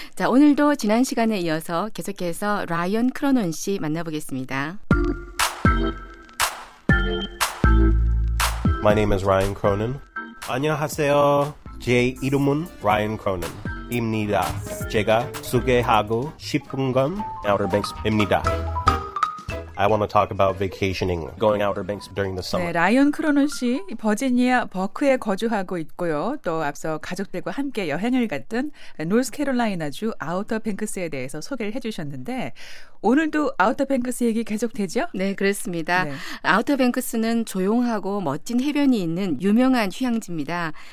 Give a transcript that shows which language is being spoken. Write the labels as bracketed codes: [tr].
[ko] 자, 오늘도 지난 시간에 이어서 계속해서 라이언 크로논 씨 만나보겠습니다. [en] My name is Ryan Cronin. [ko] 안녕하세요. 제 이름은 Ryan Cronin입니다. 제가 소개하고 싶은 건 Outer Banks입니다. [en] I want to talk about vacationing, going Outer Banks during the summer. [ko] 네, 라이언 크로논 씨, 버지니아 버크에 거주하고 있고요. 또 앞서 가족들과 함께 여행을 갔던 노스캐롤라이나주 아우터뱅크스에 대해서 소개를 해주셨는데 오늘도 아우터뱅크스 얘기 계속되죠? 네, 그렇습니다. 네. 아우터뱅크스는 조용하고 멋진 해변이 있는 유명한 휴양지입니다.